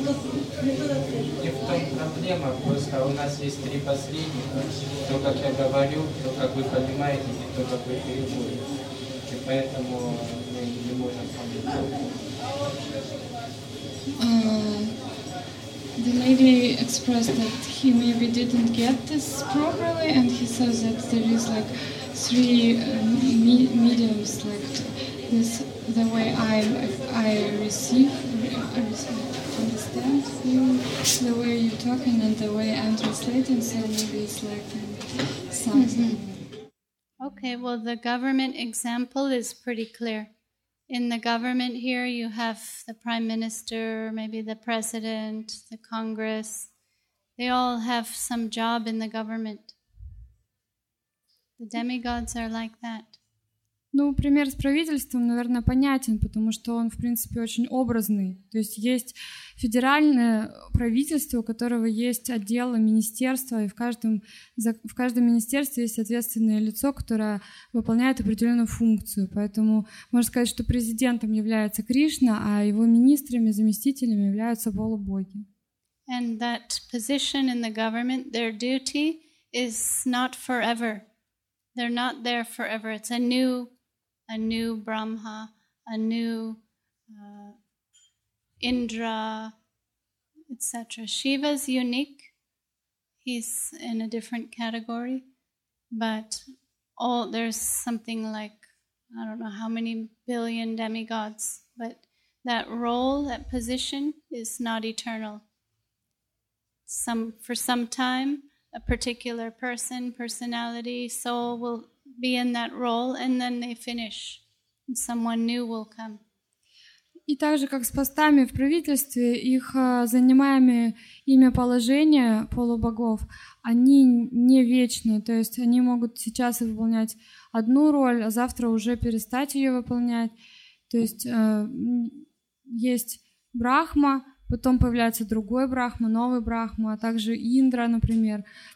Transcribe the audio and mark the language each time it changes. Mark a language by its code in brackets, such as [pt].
[ru] в том проблема, просто у нас есть три последних, то, как я говорю, то, как вы понимаете, и то, как вы переводите. И поэтому мы не можем понять. [en] The lady expressed that he maybe didn't get this properly, and he says that there is like three mediums, like this, the way I receive, understand you, the way you're talking, and the way I'm translating, so maybe it's like something. Okay, well, the government example is pretty clear. In the government here, you have the prime minister, maybe the president, the Congress. They all have some job in the government. The demigods are like that. [ru] Ну, пример с правительством, наверное, понятен, потому что он, в принципе, очень образный. То есть есть федеральное правительство, у которого есть отделы, министерства, и в каждом министерстве есть ответственное лицо, которое выполняет определенную функцию. Поэтому можно сказать, что президентом является Кришна, а его министрами, заместителями являются полубоги. [en] And that position in the government, their duty is not forever. They're not there forever. It's a new Brahma, a new Indra, etc. Shiva's unique. He's in a different category, but all there's something like, I don't know how many billion demigods, but that role, that position is not eternal. For some time, a particular person, personality, soul will be in that role, and then they finish, and someone new will come. [ru] И также, как с постами в правительстве, их занимаемое ими положение полубогов, они не вечны, то есть они могут сейчас выполнять одну роль, а завтра уже перестать ее выполнять. То есть есть Брахма, потом появляется другой Брахма, новый Брахма, а также Индра, например.